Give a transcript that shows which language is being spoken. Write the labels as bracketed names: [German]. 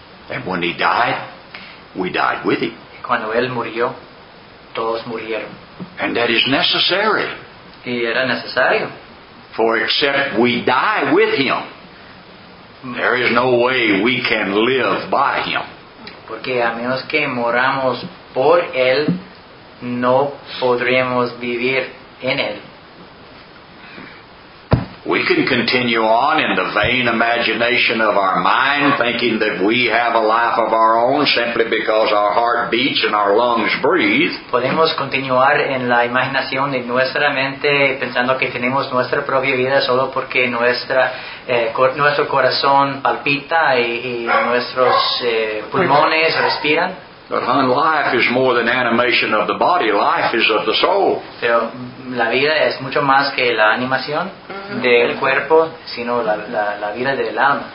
[English] And when he died, we died with him. [Spanish] Cuando él murió, todos murieron. [English] And that is necessary. [Spanish] Y era necesario. [English] For except we die with him, there is no way we can live by him. [Spanish] Porque a menos que moramos por él, no podremos vivir en él. [English] We can continue on in the vain imagination of our mind, thinking that we have a life of our own simply because our heart beats and our lungs breathe. [Spanish] Podemos continuar en la imaginación de nuestra mente pensando que tenemos nuestra propia vida solo porque nuestro corazón palpita y nuestros pulmones respiran. [English] But hon, life is more than animation of the body. Life is of the soul. [Spanish] Pero la vida es mucho más que la animación del cuerpo, sino la vida del alma.